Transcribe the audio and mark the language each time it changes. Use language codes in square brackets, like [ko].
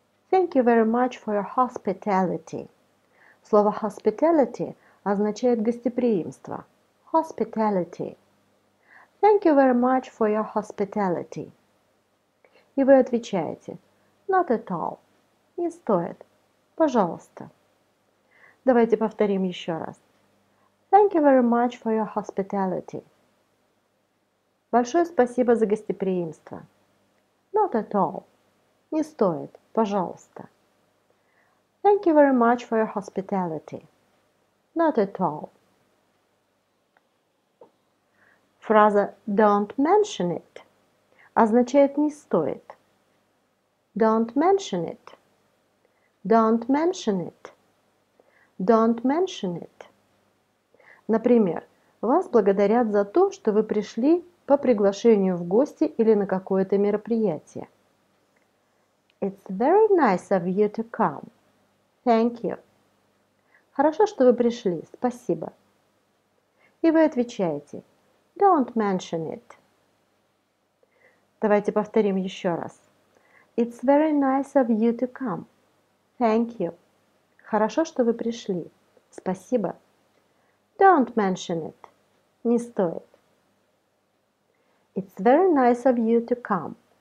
[en] Thank you very much for your hospitality. [ru] Слово hospitality означает гостеприимство. [en] Hospitality. Thank you very much for your hospitality. [ru] И вы отвечаете. [en] Not at all. [ru] Не стоит. Пожалуйста. Давайте повторим еще раз. [en] Thank you very much for your hospitality. [ru] Большое спасибо за гостеприимство. [en] Not at all. [ru] Не стоит. Пожалуйста. [en] Thank you very much for your hospitality. Not at all. [ru] Фраза [en] don't mention it [ru] означает не стоит. [en] Don't mention it. Don't mention it. Don't mention it. [ru] Например, вас благодарят за то, что вы пришли по приглашению в гости или на какое-то мероприятие. [en] It's very nice of you to come. Thank you. [ru] Хорошо, что вы пришли. Спасибо. И вы отвечаете. [en] Don't mention it. [ru] Давайте повторим еще раз. [en] It's very nice of you to come. Thank you. [ru] Хорошо, что вы пришли. Спасибо. [en] Don't mention it. [ru] Не стоит. [en] It's very nice of you to come.